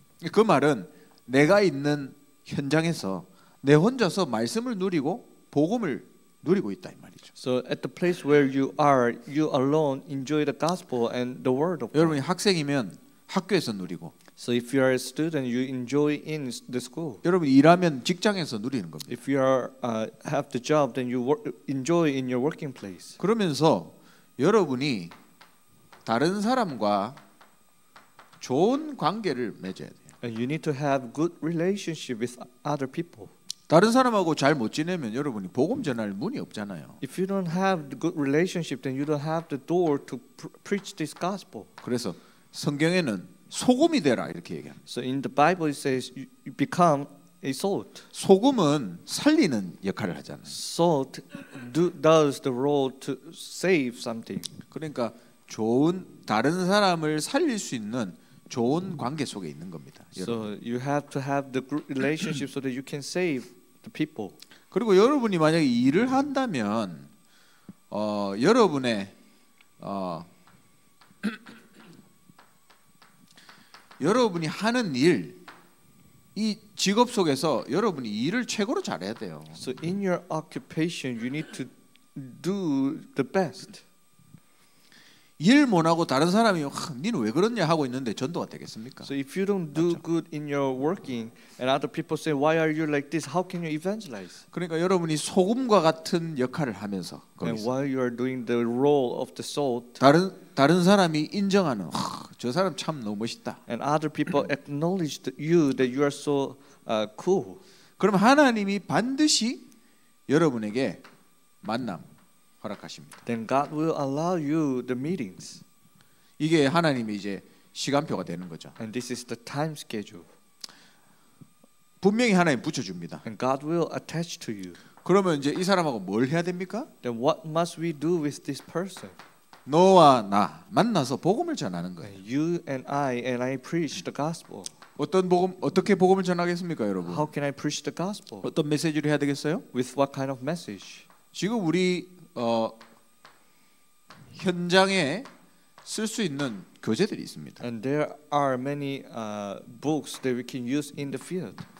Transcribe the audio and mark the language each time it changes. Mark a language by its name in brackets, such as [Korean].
[Korean] 그 말은 내가 있는 현장에서 내 혼자서 말씀을 누리고 복음을 누리고 있다 이 말이죠. [English] So at the place where you are, you alone enjoy the gospel and the word of God. [Korean] 여러분이 학생이면 학교에서 누리고. [English] So if you are a student, you enjoy in the school. [Korean] 여러분 일하면 직장에서 누리는 겁니다. [English] If you are have the job, then you work, enjoy in your working place. [Korean] 그러면서 여러분이 다른 사람과 좋은 관계를 맺어야 돼요. [English] And you need to have good relationship with other people. [Korean] 다른 사람하고 잘 못 지내면 여러분이 복음 전할 문이 없잖아요. [English] If you don't have the good relationship, then you don't have the door to preach this gospel. [Korean] 그래서 성경에는 소금이 되라 이렇게 얘기합니다. [English] So in the Bible it says you become a salt. [Korean] 소금은 살리는 역할을 하잖아요. [English] Salt does the role to save something. [Korean] 그러니까 좋은 다른 사람을 살릴 수 있는 좋은 관계 속에 있는 겁니다. [English] So [Korean] 여러분. [English] You have to have the relationship so that you can save the people. [Korean] 그리고 여러분이 만약에 일을 한다면 여러분의 여러분이 하는 일 이 직업 속에서 여러분이 일을 최고로 잘해야 돼요. [English] So in your occupation you need to do the best. [Korean] 일 못하고 다른 사람이 너는 왜 그러냐 하고 있는데 전도가 되겠습니까? [English] So if you don't do [Korean] 맞죠? [English] good in your working and other people say why are you like this? How can you evangelize? [Korean] 그러니까 여러분이 소금과 같은 역할을 하면서 거기서 [English] And while you are doing the role of the salt [Korean] 다른 사람이 인정하는 저 사람 참 너무 멋있다. [English] And other people acknowledge you that you are so cool. [Korean] 그럼 하나님이 반드시 여러분에게 만남 허락하십니다. [English] Then God will allow you the meetings. [Korean] 이게 하나님이 이제 시간표가 되는 거죠. [English] And this is the time schedule. [Korean] 분명히 하나님 붙여줍니다. [English] And God will attach to you. [Korean] 그러면 이제 이 사람하고 뭘 해야 됩니까? [English] Then what must we do with this person? [Korean] 너와 나 만나서 복음을 전하는 거예요. [English] You and I preach the gospel. [Korean] 어떻게 복음을 전하겠습니까, 여러분? [English] How can I preach the gospel? [Korean] 어떤 메시지를 해야 되겠어요? [English] With what kind of message? [Korean] 지금 우리 현장에 쓸 수 있는 교재들이 있습니다. [English] And there are many books that we can use in the field.